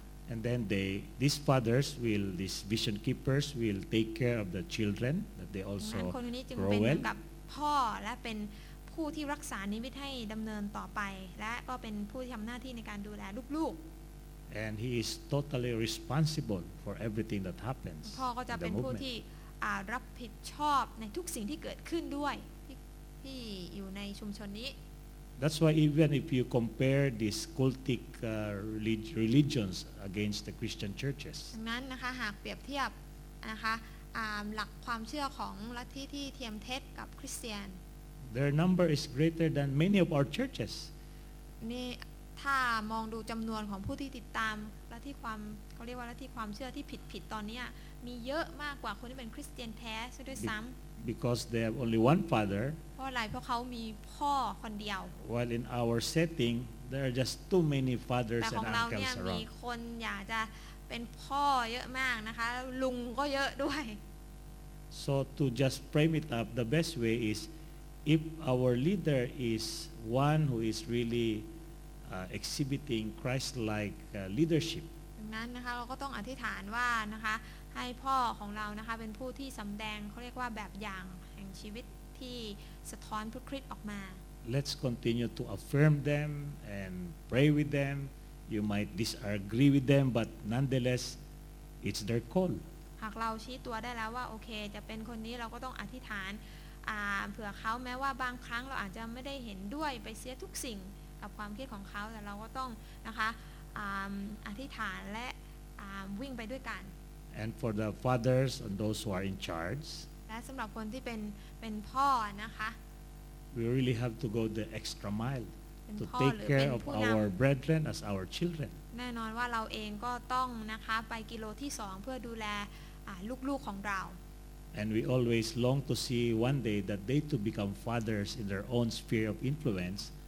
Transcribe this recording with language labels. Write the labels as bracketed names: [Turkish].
[English] ๆ And then these fathers will, these vision keepers will take care of the children that they also grow well. [Thai] กับพ่อและเป็นผู้ที่รักษานิมิตให้ดำเนินต่อไปและก็เป็นผู้ที่ทำหน้าที่ในการดูแลลูกๆ [English] And he is totally responsible for everything that happens. [Thai] พ่อก็จะเป็นผู้ที่รับผิดชอบในทุกสิ่งที่เกิดขึ้นด้วยที่อยู่ในชุมชนนี้ [English] That's why even if you compare these cultic religions against the Christian churches. [Thai] นั้นนะคะหากเปรียบเทียบนะคะหลักความเชื่อของลัทธิที่เทียมเท็จกับคริสเตียน [English] Their number is greater than many of our churches. [Thai] นี่ถ้ามองดูจำนวนของผู้ที่ติดตามและที่ความเขาเรียกว่าและที่ความเชื่อที่ผิดตอนนี้มีเยอะมากกว่าคนที่เป็นคริสเตียนแท้ซะด้วยซ้ำ [English] Because they have only one father [Thai] เพราะอะไรเพราะเขามีพ่อคนเดียว [English] While in our setting there are just too many fathers and uncles around [Thai] แต่ของเราเนี่ยมีคนอยากจะเป็นพ่อเยอะมากนะคะลุงก็เยอะด้วย [English] So to just frame it up the best way is if our leader is one who is reallyexhibiting Christ-like leadership. [Thai] ดังนั้นนะคะเราก็ต้องอธิษฐานว่านะคะให้พ่อของเรานะคะเป็นผู้ที่สำแดงเขาเรียกว่าแบบอย่างแห่งชีวิตที่สะท้อนพระคริสต์ออกมา [English] Let's continue to affirm them and pray with them. You might disagree with them, but nonetheless, it's their call. [Thai] หากเราชี้ตัวได้แล้วว่าโอเคจะเป็นคนนี้เราก็ต้องอธิษฐานเผื่อเขาแม้ว่าบางครั้งเราอาจจะไม่ได้เห็นด้วยไปเสียทุกสิ่งกับความคิดของเขาแต่เราก็ต้องนะคะอธิษฐานและวิ่งไปด้วยกัน [English] And for the fathers and those who are in charge [Thai] และสำหรับคนที่เป็นพ่อนะคะ [English] We really have to go the extra mile to take care of our brethren as our children [Thai] แน่นอนว่าเราเองก็ต้องนะคะไปกิโลที่2เพื่อดูแลลูกๆของเรา [English] And we always long to see one day that they to become fathers in their own sphere of influence